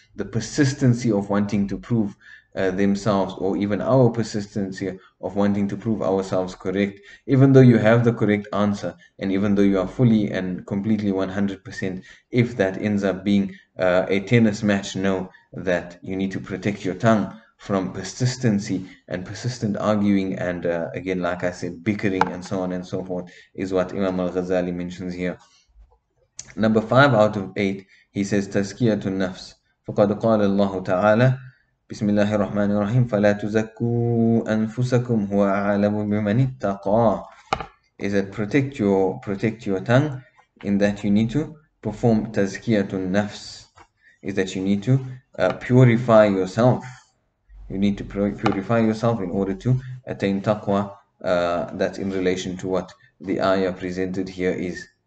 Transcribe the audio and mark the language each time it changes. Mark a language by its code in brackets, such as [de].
[en] The persistency of wanting to prove themselves, or even our persistency of wanting to prove ourselves correct, even though you have the correct answer, and even though you are fully and completely 100%, if that ends up being a tennis match, know that you need to protect your tongue from persistency, and persistent arguing and again, like I said, bickering and so on and so forth is what Imam al-Ghazali mentions here. Number 5 out of 8, he says, Tazkiyatun nafs. [ar] فَقَدْ قَالَ اللَّهُ تَعَالَى بسم الله الرحمن الرحيم فلا تزكوا أنفسكم هو أعلم بمن اتقى. [en] Is that protect your tongue, in that you need to perform tazkiyatun nafs, is that you need to purify yourself. You need to purify yourself in order to attain taqwa. That's in relation to what the ayah presented here is.